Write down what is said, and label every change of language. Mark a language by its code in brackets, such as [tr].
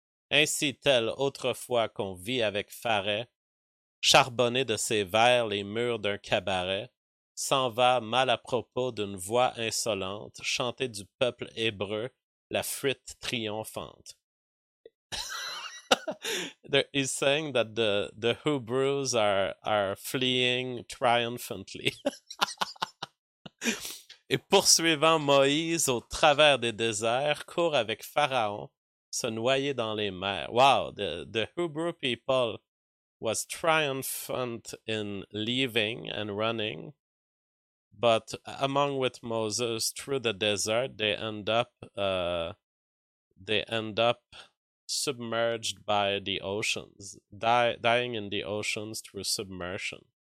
[fr] Ainsi tel autrefois qu'on vit avec Faret, charbonné de ses vers les murs d'un cabaret, s'en va mal à propos d'une voix insolente, chanter du peuple hébreu la fuite triomphante. [en] He's saying that the Hebrews are fleeing triumphantly. [fr] Et poursuivant Moïse au travers des déserts, court avec Pharaon se noyer dans les mers. [en] Wow, the Hebrew people was triumphant in leaving and running. But along with Moses through the desert, they end up submerged by the oceans, dying in the oceans through submersion.